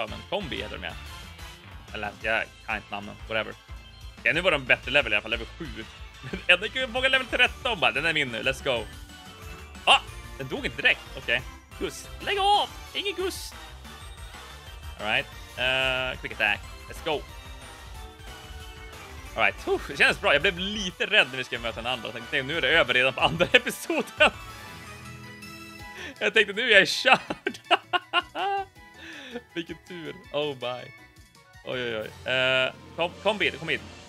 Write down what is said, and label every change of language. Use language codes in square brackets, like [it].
[sv] Kombi heter de. Eller jag kan inte namnen, whatever. Okej, nu var de bättre level i alla fall, level 7. Men jag tänker många level 13 bara, den är min nu, let's go. Ah, den dog inte direkt, okej. Okay. Gust, lägg av, ingen gust. [en] Alright, quick attack, let's go. [sv] Alright, det känns bra, jag blev lite rädd när vi ska möta en andra. Jag tänkte, nu är det över redan på andra episoden. Jag tänkte, nu är jag körd. Vilken tur. Oh my. Oj, oj, oj. Kom hit.